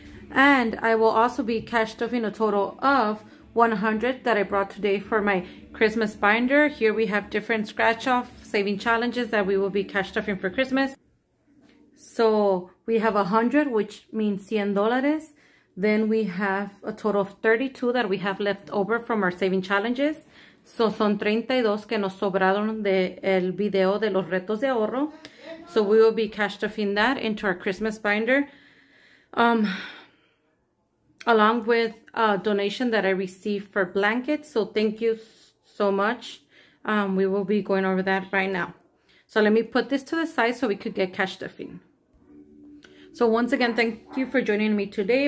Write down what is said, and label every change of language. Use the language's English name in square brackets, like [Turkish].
[English] And I will also be cash stuffing a total of 100 that I brought today for my Christmas binder. Here we have different scratch off saving challenges that we will be cash stuffing for Christmas. So we have 100, which means 100 dollars. Then we have a total of 32 that we have left over from our saving challenges. [Spanish] So son 32 que nos sobraron de el video de los retos de ahorro. [English] So we will be cash stuffing that into our Christmas binder. Along with a donation that I received for blankets. So thank you so much. We will be going over that right now. So let me put this to the side so we could get cash stuffing. So once again, thank you for joining me today.